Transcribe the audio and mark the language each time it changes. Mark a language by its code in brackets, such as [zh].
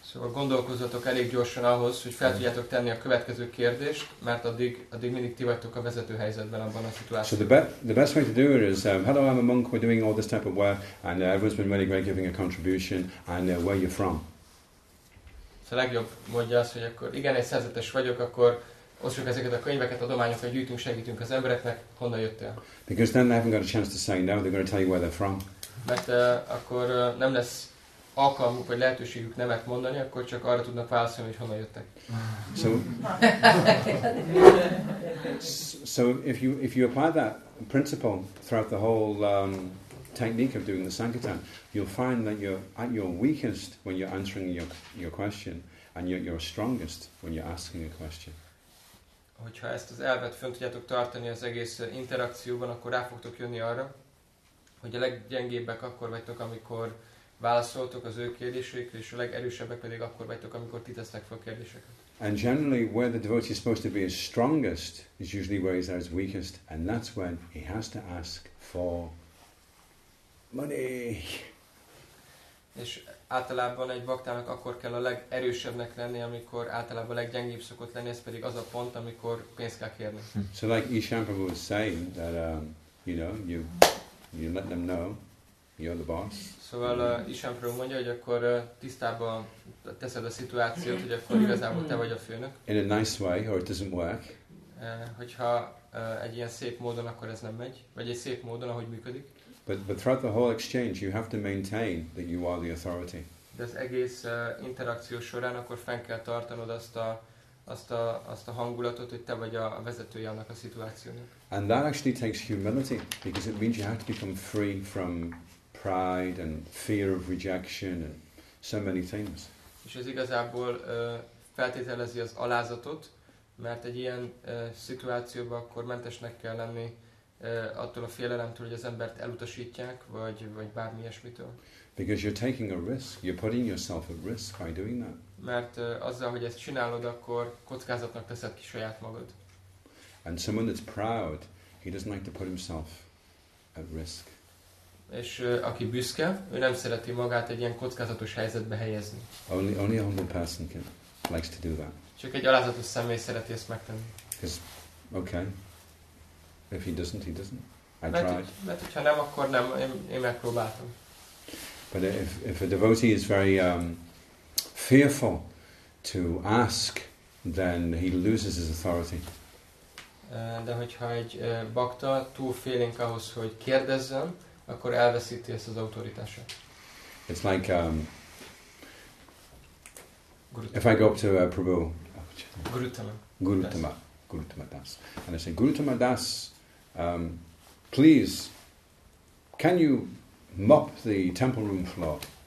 [hu] Szóval gondolkozzatok elég gyorsan ahhoz, hogy fel tudjátok tenni a következő kérdést, mert addig mindig ti vagytok a vezető helyzetben abban a szituációban. [en] So the best way to do it is, hello, I'm a monk, we're doing all this type of work, and everyone's been really great giving a contribution, and where you're from. [hu] A legjobb mondja az, hogy akkor igen, egy szerzetes vagyok, akkor osszuk ezeket a könyveket, adományokat gyűjtünk, segítünk az embereknek, honnan jöttél? [en] Because then they haven't got a chance to say no, they're going to tell you where they're from. [hu] Mert akkor nem lesz alkalmuk vagy lehetőségük nemet mondani, akkor csak arra tudnak válaszolni, hogy honnan jöttek. [en] So if you apply that principle throughout the whole technique of doing the Sankirtan, you'll find that you're at your weakest when you're answering your question, and you're at your strongest when you're asking a question. [hu] Hogyha ezt az elvet fönn tudjátok tartani az egész interakcióban, akkor rá fogtok jönni arra, hogy a leggyengébbek akkor vagytok, amikor válaszoltok az ő kérdésükre, és a legerősebbek pedig akkor vagytok, amikor ti tesztek fel kérdéseket. [en] And generally, where the devotee is supposed to be his strongest is usually where he's at his weakest, and that's when he has to ask for money. [hu] És általában egy baktának akkor kell a legerősebbnek lenni, amikor általában a leggyengébb szokott lenni, ez pedig az a pont, amikor pénzt kell kérni. [en] So like Ishan Prabhu was saying that you know, you let them know you're the boss. [hu] Szóval Ishan Prabhu mondja, hogy akkor tisztában teszed a szituációt, hogy akkor igazából te vagy a főnök. [en] In a nice way or it doesn't work. [hu] Hogyha egy ilyen szép módon, akkor ez nem megy, vagy egy szép módon, ahogy működik. [en] But throughout the whole exchange, you have to maintain that you are the authority. [hu] De az egész interakció során akkor fenn kell tartanod azt a hangulatot, hogy te vagy a vezetője annak a szituációnak. [en] And that actually takes humility, because it means you have to become free from pride and fear of rejection and so many things. [hu] És ez igazából feltételezi az alázatot, mert egy ilyen szituációban akkor mentesnek kell lenni attól a félelemtől, hogy az embert elutasítják, vagy bármi ilyesmitől. [en] Because you're taking a risk, you're putting yourself at risk by doing that. [hu] Mert azzal, hogy ezt csinálod, akkor kockázatnak teszed ki saját magad. [en] And someone that's proud, he doesn't like to put himself at risk. [hu] És aki büszke, ő nem szereti magát egy ilyen kockázatos helyzetbe helyezni. [en] Only a humble person can likes to do that. [hu] Csak egy alázatos személy szereti ezt megtenni. [en] Because, okay. If he doesn't, he doesn't. I tried. [hu] Mert hogyha nem, akkor nem. Én megpróbáltam. [en] But if a devotee is very fearful to ask, then he loses his authority. [hu] De hogyha egy bakta túl félénk ahhoz, hogy kérdezzen, akkor elveszíti ezt az autoritását. [en] It's like if I go up to Prabhu. Gurutama Das. And I say, Gurutama Das, please, can you mop the temple room floor?